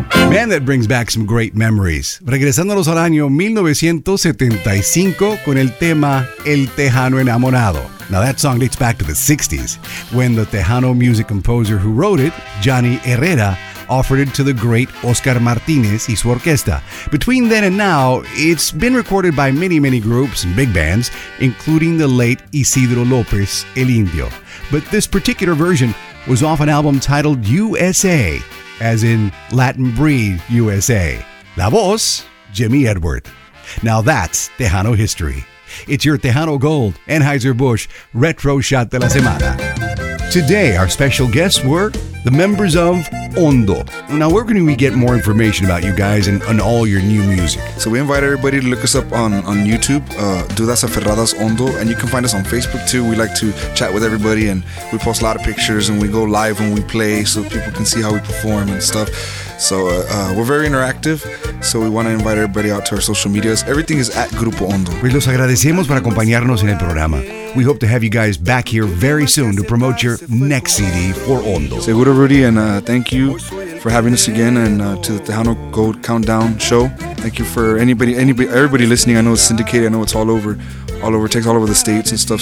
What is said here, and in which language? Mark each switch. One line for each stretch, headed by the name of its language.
English: Man, that brings back some great memories.
Spanish: Regresándonos al año 1975 con el tema El Tejano Enamorado.
English: Now that song dates back to the 60s, when the Tejano music composer who wrote it, Johnny Herrera, offered it to the great Oscar Martinez y su orquesta. Between then and now, it's been recorded by many, many groups and big bands, including the late Isidro López, El Indio. But this particular version was off an album titled USA, as in Latin breed USA.
Spanish: La voz,
English: Jimmy Edward. Now that's Tejano history. It's your Tejano Gold, Anheuser-Busch, Retro Shot de la Semana. Today, our special guests were the members of Hondo. Now, where can we get more information about you guys and all your new music? So we invite everybody to look us up on YouTube, Dudas Aferradas Hondo, and you can find us on Facebook too. We like to chat with everybody, and we post a lot of pictures, and we go live when we play so people can see how we perform and stuff. So we're very interactive, so we want to invite everybody out to our social medias. Everything is at Grupo Hondo.
Spanish: Pues los agradecemos por acompañarnos en el programa.
English: We hope to have you guys back here very soon to promote your next CD for Hondo.
Spanish: Seguro,
English: Rudy, and thank you for having us again, and to the Tejano Gold Countdown Show. Thank you for everybody listening. I know it's syndicated. I know it's all over Texas, all over the states and stuff.